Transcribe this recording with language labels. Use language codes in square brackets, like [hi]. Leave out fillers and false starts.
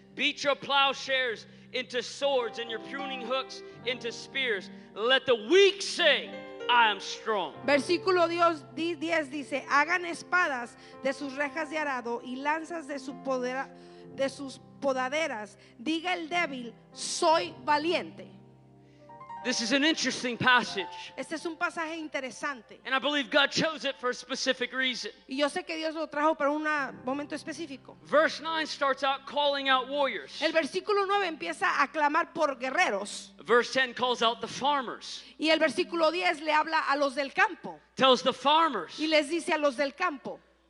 [en] Beat your plowshares into swords and your pruning hooks into spears. Let the weak say, I am strong. [es] Versículo 10 dice, hagan espadas de sus rejas de arado y lanzas de sus podaderas. Diga el débil, soy valiente. [en] This is an interesting passage. [es] Este es un pasaje interesante. [en] And I believe God chose it for a specific reason. [es] Y yo sé que Dios lo trajo para un momento específico. [en] Verse 9 starts out calling out warriors. [es] El versículo 9 empieza a clamar por guerreros. [en] Verse 10 calls out the farmers. [es] Y el versículo 10 le habla a los del campo. [en] Tells the farmers. [es] Y les dice a los del campo.